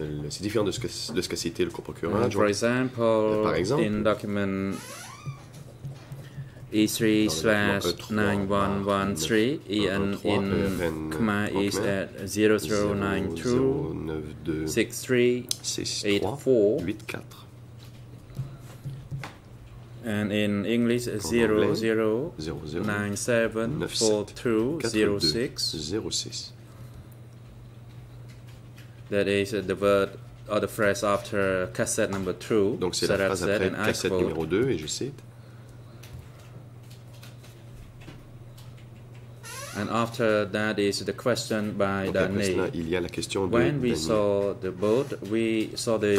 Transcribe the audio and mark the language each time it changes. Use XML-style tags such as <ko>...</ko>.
<fr>C'est différent de ce qu'a cité le co-procureur adjoint.</fr> <en>For example, in document E3/9113, and in Khmer is at 0092-63-84, and in English 0097-42-06. That is the word or the phrase after cassette number 2.</en> <fr>Donc c'est la phrase après cassette numéro 2, et je cite.</fr> <en>And after that is the question by Daniel.</en> <fr>Il y a la question de</fr> <en>when we saw the boat, we saw the</en>